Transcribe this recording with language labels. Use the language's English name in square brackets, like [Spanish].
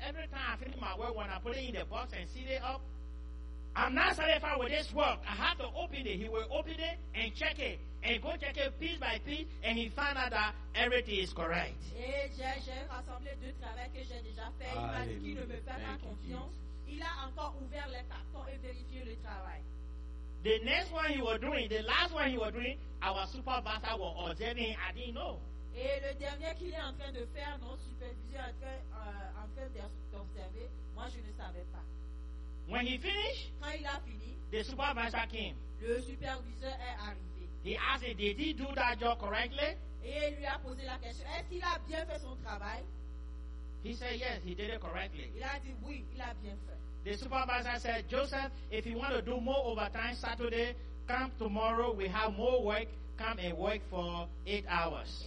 [English] Every time I finish my work, when I put it in the box and seal it up, I'm not satisfied with this work. I have to open it. He will open it and check it. And go check it piece by piece. And he found out that everything is correct. [French] Et j'ai rassemblé deux travaux que j'ai déjà fait. Il m'a dit qu'il ne me fait pas confiance. Il a encore ouvert les cartons et vérifié le travail. [English] The next one he was doing, the last one he was doing, our supervisor was observing. I didn't know. [French] Et le dernier qu'il est en train de faire, notre superviseur est en train d'observer. Moi, je ne savais pas. [English] When he finished, [French] quand il a fini, [English] the supervisor came. [French] Le superviseur est arrivé. [English] He asked, did he do that job correctly? [French] Et il lui a posé la question, est-ce qu'il a bien fait son travail? [English] He said, yes, he did it correctly. [French] Il a dit, oui, il a bien fait. [English] The supervisor said, Joseph, if you want to do more overtime Saturday, come tomorrow, we have more work, come and work for 8 hours